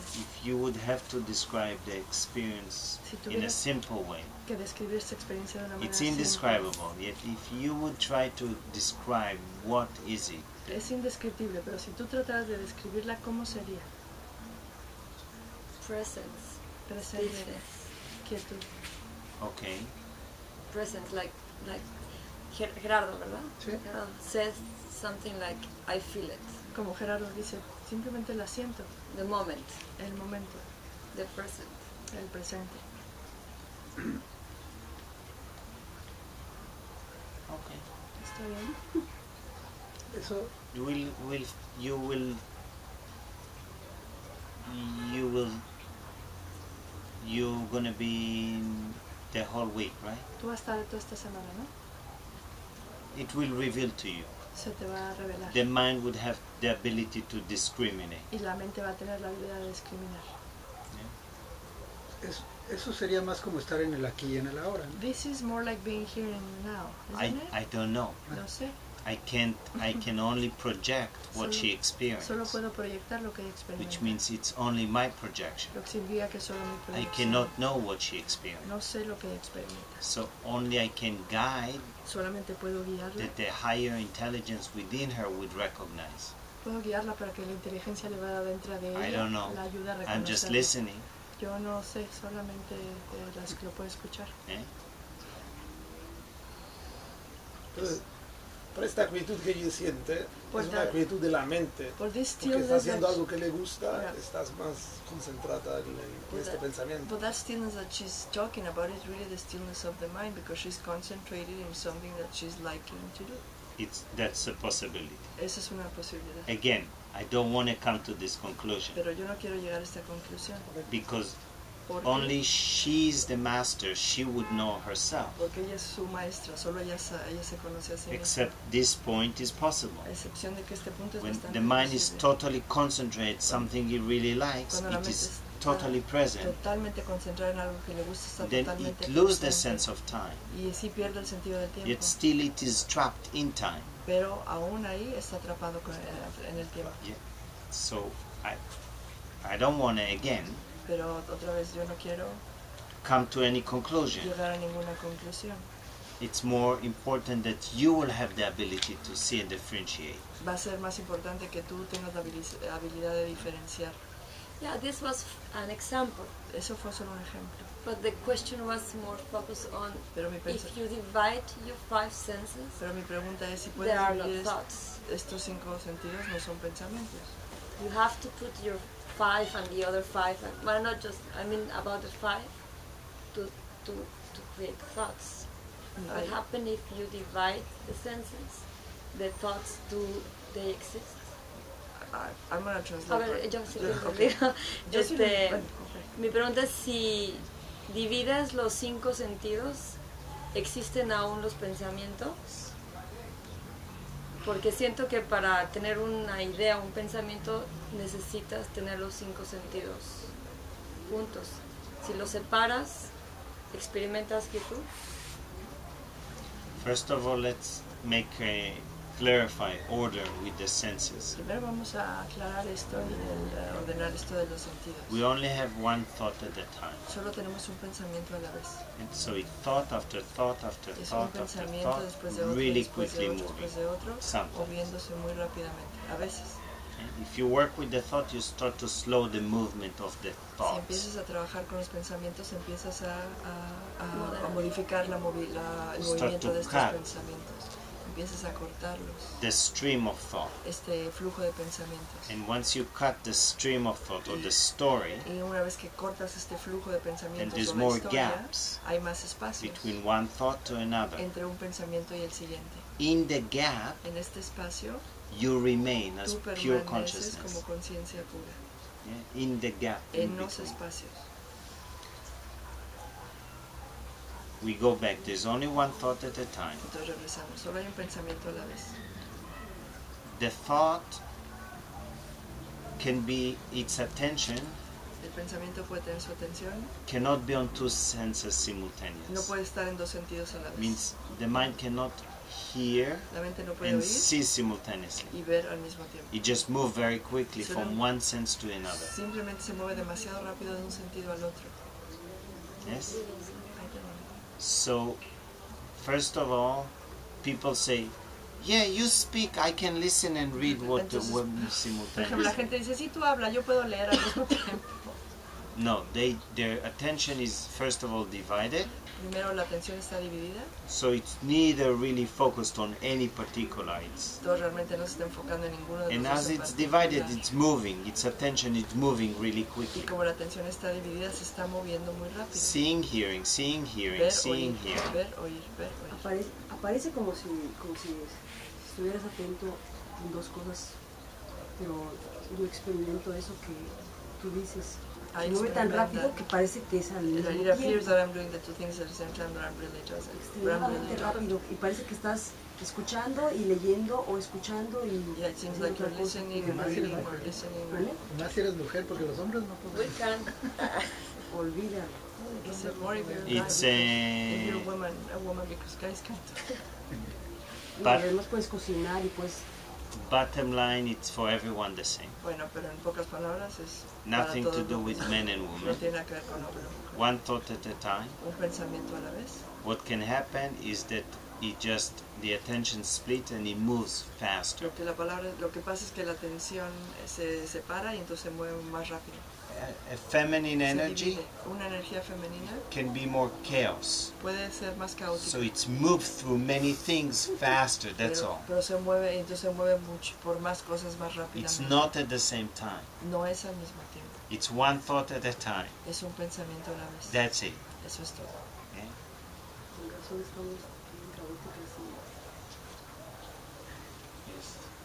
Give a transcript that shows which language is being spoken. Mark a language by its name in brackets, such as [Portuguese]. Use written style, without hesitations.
[English] If you would have to describe the experience [Spanish] si [English] in a simple way, [Spanish] que describir esta experiencia de una manera [English] it's indescribable. Yet if you would try to describe what is it, [Spanish] es indescriptible, pero si tú trataras de describirla, ¿cómo sería? [English] Presence. [Spanish] Quietud. [English] Okay. Presence, like Gerardo, [Spanish] ¿verdad? Sí. [English] Says something like, I feel it. [Spanish] Como Gerardo dice, simplemente la siento. [English] The moment. [Spanish] El momento. [English] The present. [Spanish] El presente. [English] Okay. [Spanish] ¿Está bien? Eso. [English] You're gonna be the whole week, right? [Spanish] Tú vas a estar toda esta semana, ¿no? [English] It will reveal to you. [Spanish] Se te va a revelar. [English] The mind would have the ability to discriminate. [Spanish] Y la mente va a tener la habilidad de discriminar. [English] Yeah. [Spanish] Eso sería más como estar en el aquí y en el ahora, ¿no? [English] This is more like being here and now, isn't it? I don't know. [Spanish] No sé. [English] I can only project what she experienced. [Spanish] Solo puedo proyectar lo que experimenta. [English] Which means it's only my projection. [Spanish] Lo que significa que solo mi proyección. [English] I cannot know what she experienced. [Spanish] No sé lo que experimenta. [English] So only I can guide. [Spanish] Solamente puedo guiarla. [English] That the higher intelligence within her would recognize. [Spanish] Puedo guiarla para que la inteligencia elevada dentro de ella la ayude a reconocer. [English] I'm just listening. [Spanish] Yo no sé, solamente las que lo puedo escuchar. Por esta quietud que ella siente, por es una quietud de la mente, porque está haciendo algo que le gusta, estás más concentrada en este pensamiento. [English] But that stillness that she's talking about is really the stillness of the mind, because she's concentrated in something that she's liking to do. That's a possibility. [Spanish] Esa es una posibilidad. [English] Again, I don't want to come to this conclusion. [Spanish] Pero yo no quiero llegar a esta conclusión. [English] Because only she is the master, she would know herself. [Spanish] Porque ella es su maestra, solo ella se conoce a sí misma. [English] Except this point is possible. [Spanish] A excepción de que este punto es [English] when [Spanish] bastante [English] the mind [Spanish] posible. [English] Is totally concentrated, something he really likes, it is totally present. [Spanish] Totalmente concentrada en algo que le gusta, está [English] then [Spanish] totalmente [English] it loses the sense of time. [Spanish] Y sí pierde el sentido del tiempo. [English] Yet still it is trapped in time. [Spanish] Pero aún ahí está atrapado en el tiempo. [English] Yeah. So I don't want to again. [Spanish] Pero otra vez yo no quiero [English] come to any conclusion. [Spanish] Llegar a ninguna conclusión. [English] It's more important that you will have the ability to see and differentiate. [Spanish] Va a ser más importante que tú tengas la habilidad de diferenciar. [English] Yeah, this was an example. [Spanish] Eso fue solo un ejemplo. [English] But the question was more focused on if you divide your five senses. [Spanish] Pero mi pregunta es si puedes [English] there are not thoughts. [Spanish] Estos cinco sentidos no son pensamientos. [English] You have to put your five and the other five, and why not just, I mean, about the five, to create thoughts. No. What happens if you divide the senses, the thoughts, do they exist? I'm going to translate. [Spanish] A ver, yo sí lo [English] okay. [Spanish] Mi pregunta es si divides los cinco sentidos, ¿existen aún los pensamientos? Porque siento que para tener una idea, un pensamiento, necesitas tener los cinco sentidos juntos. Si los separas, ¿experimentas quietud? [English] First of all, let's make clarify order with the senses. [Spanish] Primero vamos a aclarar esto y ordenar esto de los sentidos. [English] We only have one thought at a time. [Spanish] Solo tenemos un pensamiento a la vez. [English] And so it thought after thought after thought after thought, [Spanish] después de otro, [English] really [Spanish] después [English] quickly [Spanish] de otro, [English] moving. [Spanish] De otro, [English] sometimes. [Spanish] Moviéndose muy rápidamente, a veces. [English] If you work with the thought, you start to slow the movement of the thought. [Spanish] Si empiezas a trabajar con los pensamientos, empiezas a modificar la el movimiento de estos pensamientos. Empiezas a cortarlos. [English] The stream of thought. [Spanish] Este flujo de pensamientos. [English] And once you cut the stream of thought or the story, [Spanish] y una vez que cortas este flujo de pensamientos, [English] then there's more gaps, [Spanish] hay más espacios [English] between one thought to another. [Spanish] Entre un pensamiento y el siguiente. [English] In the gap, [Spanish] en este espacio, [English] you remain as pure consciousness. [Spanish] Como conciencia pura. [English] Yeah? In the gap. [Spanish] En [English] in [Spanish] los [English] between. [Spanish] Espacios. [English] We go back. There's only one thought at a time. [Spanish] Entonces regresamos. Solo hay un pensamiento a la vez. [English] The thought can be its attention. [Spanish] El pensamiento puede tener su atención. [English] Cannot be on two senses simultaneously. [Spanish] No puede estar en dos sentidos a la vez. [English] Means the mind cannot hear [Spanish] la mente no puede [English] and [Spanish] oír [English] see simultaneously. [Spanish] Y ver al mismo tiempo. [English] It just moves very quickly from one sense to another. [Spanish] Simplemente se mueve demasiado rápido de un sentido al otro. [English] Yes? So, first of all, people say, yeah, you speak, I can listen and read what the word is simultaneously. [Spanish] La gente dice, sí, tú hablas, yo puedo leer al mismo tiempo. [English] No, their attention is, first of all, divided. [Spanish] Primero, la atención está dividida. [English] So it's neither really focused on any particular. It's, [Spanish] todo realmente no se está enfocando en ninguno de [English] and [Spanish] los [English] as it's divided, it's moving. Its attention is moving really quickly. [Spanish] Y como la atención está dividida, se está moviendo muy rápido. [English] Seeing, hearing, [Spanish] ver, [English] seeing, [Spanish] oír, [English] hearing. [Spanish] Ver, oír, ver, oír. Aparece como si estuvieras atento en dos cosas, pero yo experimento eso que tú dices. [English] I move [Spanish] tan rápido [English] that [Spanish] que parece que es al mismo [English] it appears that I'm doing the two things at the same time, but I'm really just [Spanish] extremadamente rápido y parece que estás escuchando y leyendo o escuchando y [English] yeah, it seems like you're listening and reading or listening. [Spanish] Más si eres mujer porque los hombres no pueden. [English] We can [Spanish] olvida. [English] Is it more if you're it's a woman, because guys can't. But [Spanish] además puedes cocinar y puedes. [English] Bottom line, it's for everyone the same. [Spanish] Bueno, pero en pocas palabras es [English] nothing [Spanish] para todos [English] to do with men and women. [Spanish] No tiene que ver con hombre o mujer. [English] One thought at a time. [Spanish] Un pensamiento a la vez. [English] What can happen is that it just the attention splits and it moves faster. [Spanish] Lo que pasa es que la atención se separa y entonces se mueve más rápido. [English] A feminine energy [Spanish] una energía femenina [English] can be more chaos. [Spanish] Puede ser más caótico. [English] So it's moved through many things faster, that's [Spanish] pero, [English] all. [Spanish] Pero se mueve, entonces se mueve mucho, por más cosas más rápidamente. [English] It's not at the same time. [Spanish] No es al mismo tiempo. [English] It's one thought at a time. [Spanish] Es un pensamiento a la vez. [English] That's it. [Spanish] Eso es todo. [English] Okay. Yes.